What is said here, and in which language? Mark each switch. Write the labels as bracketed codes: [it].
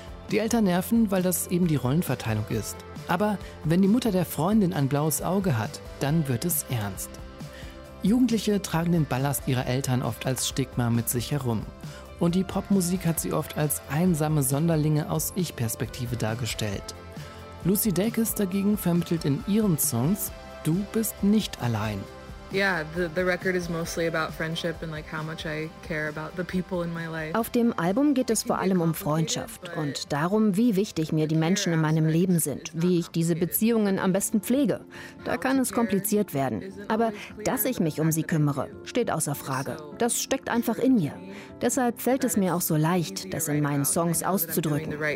[de] Die Eltern nerven, weil das eben die Rollenverteilung ist. Aber wenn die Mutter der Freundin ein blaues Auge hat, dann wird es ernst. Jugendliche tragen den Ballast ihrer Eltern oft als Stigma mit sich herum. Und die Popmusik hat sie oft als einsame Sonderlinge aus Ich-Perspektive dargestellt. Lucy Dacus dagegen vermittelt in ihren Songs, du bist nicht allein. [en] Yeah, the record is mostly about friendship and like how much I care about the people in my life. [de] Auf dem Album geht es vor allem um Freundschaft und darum, wie wichtig mir die Menschen in meinem Leben sind, wie ich diese Beziehungen am besten pflege. Da kann es kompliziert werden, aber dass ich mich um sie kümmere, steht außer Frage. Das steckt einfach in mir. Deshalb fällt es mir auch so leicht, das in meinen Songs auszudrücken.